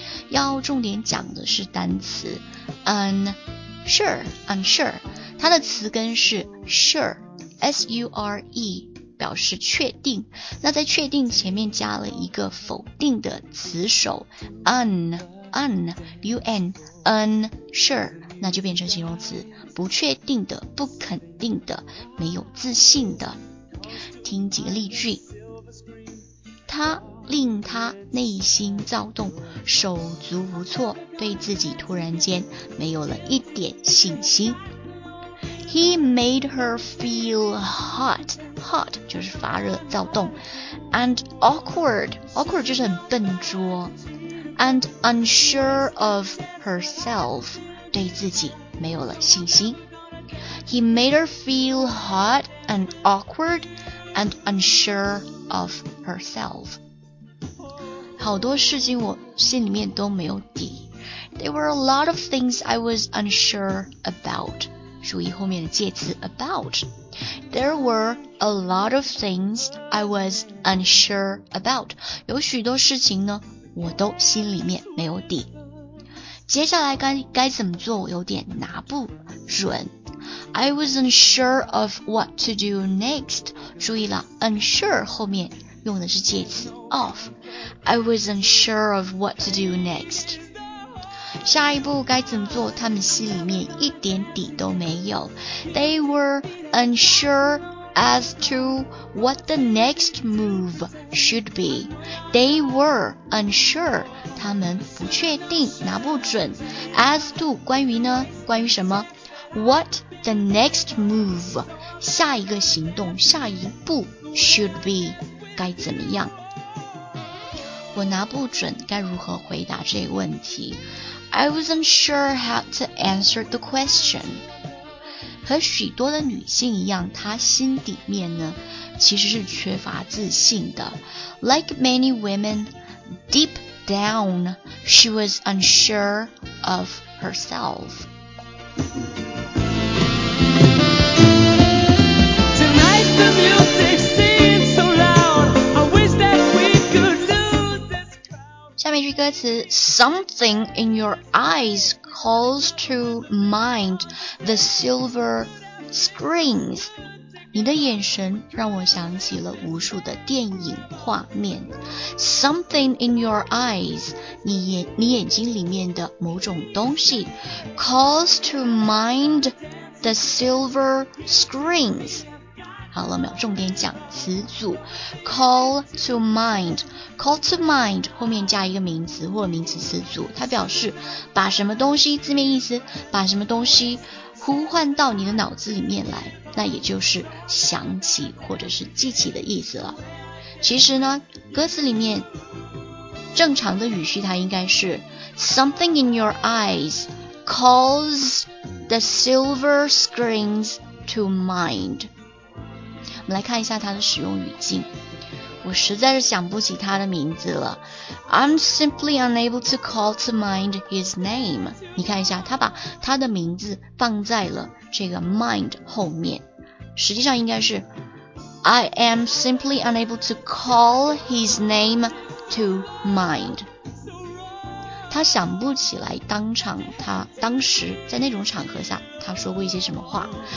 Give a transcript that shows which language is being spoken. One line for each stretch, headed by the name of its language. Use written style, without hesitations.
Chinese: 要重点讲的是单词 unsure, 它的词根是 sure, S-U-R-E,表示确定，那在确定前面加了一个否定的词首 unsure, 那就变成形容词，不确定的，不肯定的，没有自信的。听几个例句，他令他内心躁动，手足无措，对自己突然间没有了一点信心。
English: He made her feel hot
Chinese: 就是发热躁动
English: and awkward
Chinese: 就是很笨拙
English: and unsure of herself
Chinese: 对自己没有了信心
English: He made her feel hot and awkward and unsure of herself
Chinese: 好多事情我心里面都没有底
English: There were a lot of things I was unsure about
Chinese: 注意后面的介词
English: aboutThere were a lot of things I was unsure about.
Chinese: 有许多事情呢，我都心里面没有底。接下来该怎么做，我有点拿不准。
English: I was unsure of what to do next.
Chinese: 注意了 ，unsure 后面用的是介词 of.
English: I was unsure of what to do next.
Chinese: 下一步该怎么做，他们心里面一点底都没有。
English: They were unsure as to what the next move should be. They were unsure,
Chinese: 他们不确定，拿不准。
English: As to,
Chinese: 关于呢？关于什么？
English: What the next move,
Chinese: 下一个行动，下一步
English: should be,
Chinese: 该怎么样？我拿不准，该如何回答这个问题？
English: I wasn't sure how to answer the question.
Chinese: 和许多的女性一样，她心底面呢，其实是缺乏自信的。
English: Like many women, deep down, she was unsure of herself. Tonight the music seems so loud. I wish that we could lose this crowd. 下面一句歌词 Something in your eyes calls to mind the silver screens.
Chinese: 你的眼神让我想起了无数的电影画面。
English: Something in your eyes,
Chinese: 你眼睛里面的某种东西
English: calls to mind the silver screens.
Chinese: 好了，我们要重点讲词组 call to mind. Call to mind 后面加一个名词或者名词词组，它表示把什么东西，字面意思，把什么东西呼唤到你的脑子里面来，那也就是想起或者是记起的意思了。其实呢，歌词里面正常的语序它应该是
English: Something in your eyes calls the silver screens to mind。
Chinese: 我们来看一下它的使用语境，我实在是想不起他的名字了。
English: I'm simply unable to call to mind his name.
Chinese: 你看一下，他把他的名字放在了这个 mind 后面。实际上应该是
English: I am simply unable to call his name to mind.
Chinese: 他想不起来当时在那种场合下他说过一些什么话。